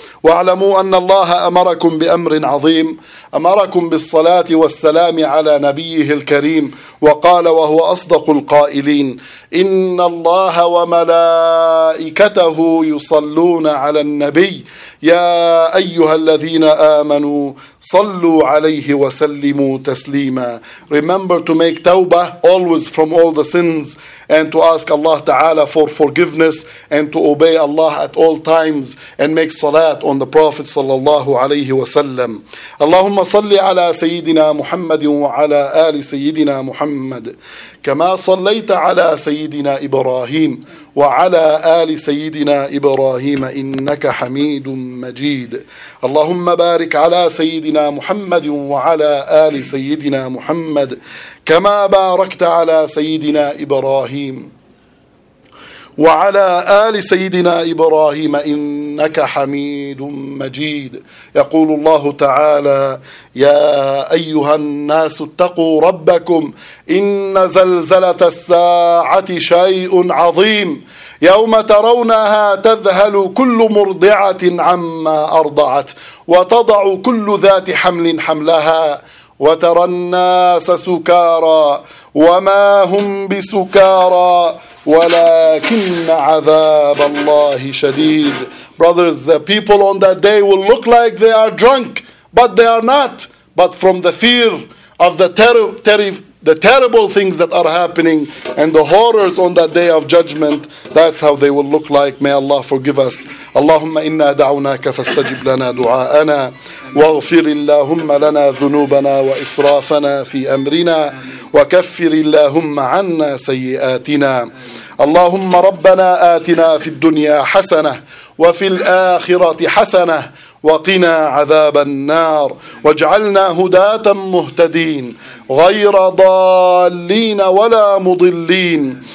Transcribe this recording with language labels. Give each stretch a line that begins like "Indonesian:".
Arabic: واعلموا أن الله أمركم بأمر عظيم، أمركم بالصلاة والسلام على نبيه الكريم، وقال وهو أصدق القائلين: إن الله وملائكته يصلون على النبي، يا أيها الذين آمنوا صلوا عليه وسلموا تسليما.
English: Remember to make tawbah always from all the sins and to ask Allah Ta'ala for forgiveness and to obey Allah at all times and make salat on the Prophet sallallahu alayhi wa sallam.
Arabic: Allahumma salli ala Sayyidina Muhammad wa ala ali Sayyidina Muhammad كما صليت على سيدنا إبراهيم وعلى آل سيدنا إبراهيم إنك حميد مجيد. اللهم بارك على سيدنا محمد وعلى آل سيدنا محمد كما باركت على سيدنا إبراهيم وعلى آل سيدنا إبراهيم إنك حميد مجيد. يقول الله تعالى: يا أيها الناس اتقوا ربكم إن زلزلة الساعة شيء عظيم، يوم ترونها تذهل كل مرضعة عما أرضعت وتضع كل ذات حمل حملها وترى الناس سكارى وما هم بسكارى ولكن عذاب الله شديد.
English: Brothers, the people on that day will look like they are drunk, but they are not. But from the fear of the terrible things that are happening and the horrors on that day of judgment, that's how they will look like. May Allah forgive us.
Arabic: Allahumma inna da'unaka fastajib lana du'a'ana واغفر اللهم لنا ذنوبنا وإسرافنا في أمرنا وكفر اللهم عنا سيئاتنا. اللهم ربنا آتنا في الدنيا حسنة وفي الآخرة حسنة وقنا عذاب النار، واجعلنا هداة مهتدين غير ضالين ولا مضلين.